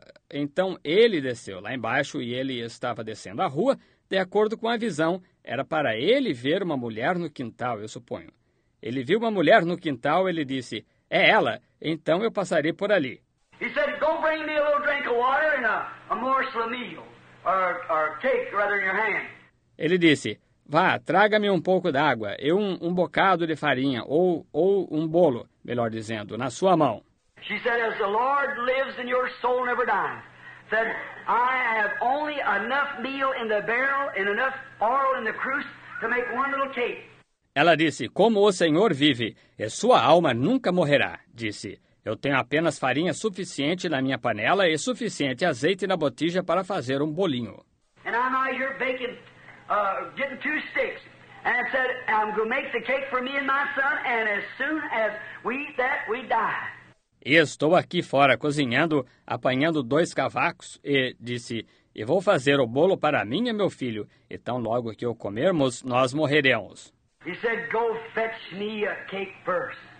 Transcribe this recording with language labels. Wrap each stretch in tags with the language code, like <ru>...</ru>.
<pt>Então ele desceu lá embaixo e ele estava descendo a rua, de acordo com a visão, era para ele ver uma mulher no quintal, eu suponho. Ele viu uma mulher no quintal, ele disse, é ela, então eu passarei por ali.</pt> <en>He said, go bring me a little drink of water and a morsel of meal, or cake, rather, in your hand.</en> <pt>Ele disse, vá, traga-me um pouco d'água e um bocado de farinha, ou um bolo, melhor dizendo, na sua mão.</pt> <en>She said, as the Lord lives and your soul never dies. Said, I have only enough meal in the barrel and enough oil in the cruse to make one little cake.</en> <pt>Ela disse, como o Senhor vive, e sua alma nunca morrerá. Disse, eu tenho apenas farinha suficiente na minha panela e suficiente azeite na botija para fazer um bolinho.</pt> <en>And I'm out here baking... getting two sticks, and said, I'm going to make the cake for me and my son, and as soon as we eat that, we die.</en> <pt>E estou aqui fora cozinhando, apanhando dois cavacos, e disse, e vou fazer o bolo para mim e meu filho, e tão logo que o comermos, nós morreremos.</pt> <en>He said, go fetch me a cake first.</en>